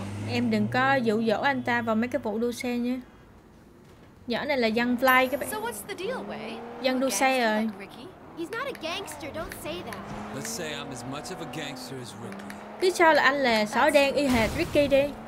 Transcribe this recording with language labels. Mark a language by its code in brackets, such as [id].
[vi] Em đừng có dụ dỗ anh ta vào mấy cái vụ đua xe nha. Nhỏ này là Young Fly các bạn. Young đua xe rồi. [en] He's not a gangster, don't say that. Let's say I'm as much of a gangster as Ricky. [vi] Cứ cho là anh là sói đen y hệt Ricky đi.